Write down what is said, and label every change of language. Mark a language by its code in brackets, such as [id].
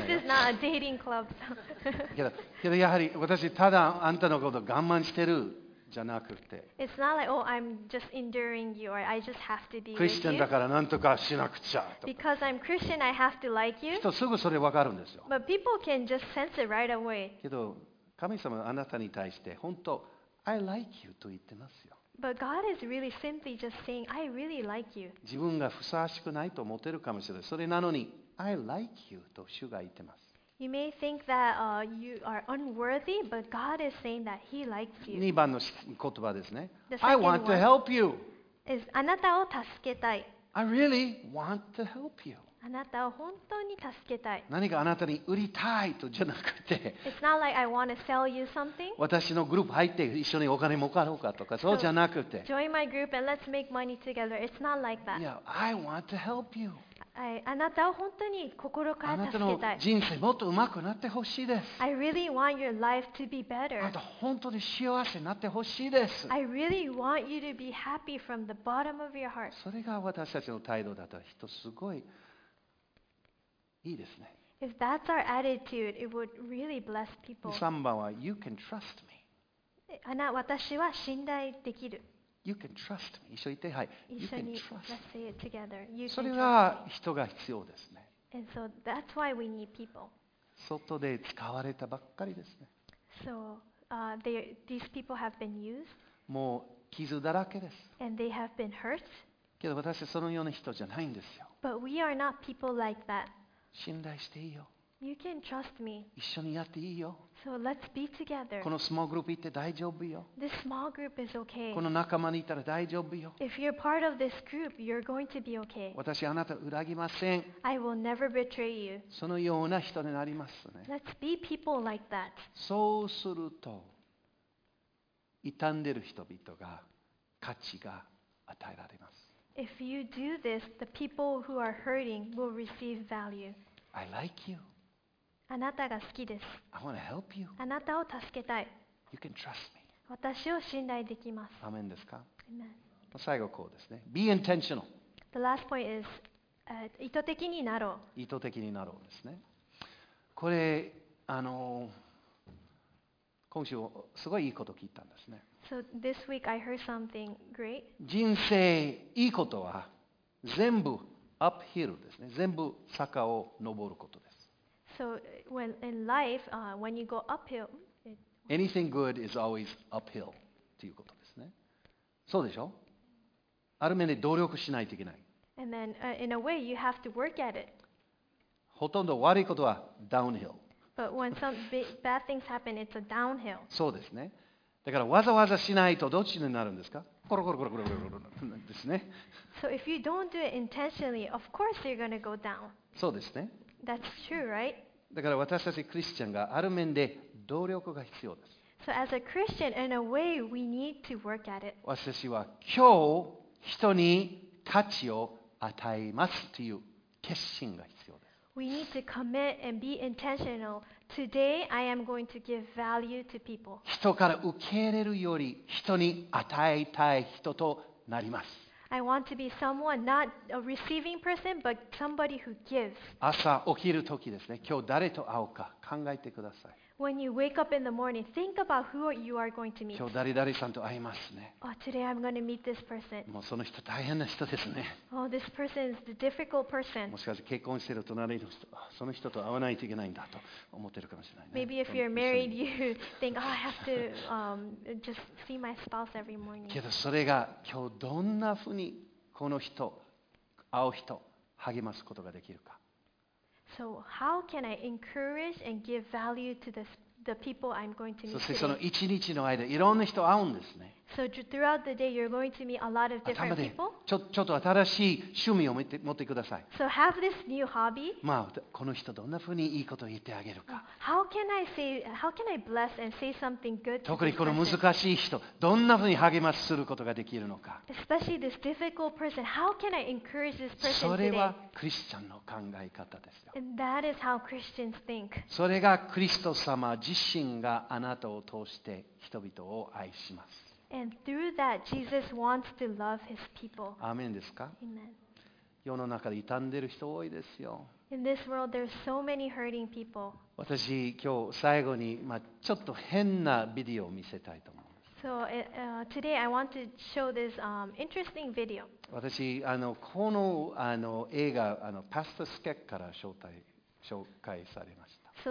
[en] の。This is not a dating club. [ja] けどやはり私ただあんたのことを我慢してるじゃなくて。 [en] It's not like, oh, I'm just enduring you or I just have to be with you. [ja] クリスチャンだからなんとかしなくちゃと。 [en] Because I'm Christian, I have to like you. [ja] 人すぐそれ分かるんですよ。 [en] But people can just sense it right away. [ja] けど神様あなたに対して本当、 [en] I like you [ja] と言ってますよ。 [en] But God is really simply just saying, I really like you. [ja] 自分がふさわしくないと思ってるかもしれない。それなのに、 [en] I like you [ja] と主が言ってます。 [en] You may think that you are unworthy, but God is saying that He likes you. [ja] 2番の言葉ですね。 [en] I want to help you. [ja] Is あなたを助けたい。 [en] I really want to help you. [ja] あなたを本当に助けたい。何かあなたに売りたいとじゃなくて。 [en] It's not like I want to sell you something. [ja] 私のグループ入って一緒にお金儲かろうかとか、そうじゃなくて。 [en] Join my group and let's make money together. It's not like that. Yeah, I want to help you. [ja] あなたを本当に心から助けたい。あなたの人生もっと上手くなってほしいです。 [en] I really want your life to be better. [ja] あなた本当に幸せになってほしいです。 [en] I really want you to be happy from the bottom of your heart. [ja] それが私たちの態度だったら人すごいいいですね。 [en] If that's our attitude, it would really bless people. [ja] 三番は [en] You can trust me. [ja] あなた私は信頼できる。 [en] You can trust me. [ja] 一緒に言って、はい。 [en] 一緒に、let's say it together. You can trust me. [ja] それが人が必要ですね。 [en] And so that's why we need people. [ja] 外で使われたばっかりですね。 [en] So, these people have been used. [ja] もう傷だらけです。 [en] And they have been hurt. [ja] けど私はそのような人じゃないんですよ。 [en] But we are not people like that. [ja] 信頼していいよ。 [en] You can trust me. [ja] 一緒にやっていいよ。 [en] So let's be together. [ja] このスモールグループ行って大丈夫よ。 [en] This small group is okay. [ja] この仲間にいたら大丈夫よ。 [en] If you're part of this group, you're going to be okay. [ja] 私あなた裏切りません。 [en] I will never betray you. [ja] そのような人になりますね。 [en] Let's be people like that. [ja] そうすると、傷んでる人々が価値が与えられます。 [en] If you do this, the people who are hurting will receive value. I like you. [ja] あなたが好きです。 [en] I want to help you. [ja] あなたを助けたい。 [en] You can trust me. [ja] 私を信頼できます。アメンですか？ [en] Amen. [ja] 最後こうですね。 [en] Be intentional. The last point is, [ja] 意図的になろう。意図的になろうですね。これ、今週すごいいいこと聞いたんですね。 [en] So this week I heard something great. [ja] 人生いいことは全部 uphill ですね。全部坂を登ることです。 [en] So when in life, when you go uphill, anything good is always uphill [ja] ということですね。そうでしょ？ある面で努力しないといけない。 [en] And then, in a way, you have to work at it. [ja] ほとんど悪いことは downhill. [en] But when some bad things happen, it's a downhill. [ja] そうですね。だからわざわざしないとどっちになるんですか？コロコロコロコロコロコロですね。 [en] So if you don't do it intentionally, of course you're going to go down. [ja] そうですね。 [en] That's true, right? [ja] だから私たちクリスチャンがある面で努力が必要です。 [en] So as a Christian, in a way, we need to work at it. 私は今日人に価値を与えますという決心が必要です。 We need to commit and be intentional. Today, I am going to give value to people. [ja] 人から受け入れるより人に与えたい人となります。 [en] I want to be someone, not a receiving person, but somebody who gives. [ja] 朝起きるときですね。今日誰と会おうか考えてください。 [en] When you wake up in the morning, think about who you are going to meet. [ja] 今日誰々さんと会いますね。 [en] Oh, today I'm going to meet this person. [ja] もうその人大変な人ですね。 [en] Oh, this person is the difficult person. [ja] もしかして結婚してる隣の人、その人と会わないといけないんだと思ってるかもしれないね。 [en] Maybe if you're married, you think, oh, I have to just see my spouse every morning. [ja] けどそれが今日どんなふうにこの人、会う人、励ますことができるか。 [en] So how can I encourage and give value to the people I'm going to meet? [ja] そしてその一日の間、いろんな人会うんですね。 [en] So throughout the day, you're going to meet a lot of different people. [ja] ちょっと新しい趣味を持ってください。 [en] So have this new hobby. [ja] まあこの人どんなふうにいいことを言ってあげるか。 [en] How can I bless and say something good? [ja] 特にこの難しい人、どんなふうに励ますすることができるのか。 [en] Especially this difficult person, how can I encourage this person today? [ja] それはクリスチャンの考え方ですよ。 [en] And that is how Christians think. [ja] それがクリスト様自身があなたを通して人々を愛します。 [en] And through that, Jesus wants to love His people. [ja] アーメンですか？ [en] Amen. [ja] 世の中で傷んでる人多いですよ。 [en] In this world, there are so many hurting people. [ja] 私今日最後に、まあ、ちょっと変なビデオを見せたいと思います。 [en] So today I want to show this interesting video. [ja] 私この映画パスタスケッから紹介されました。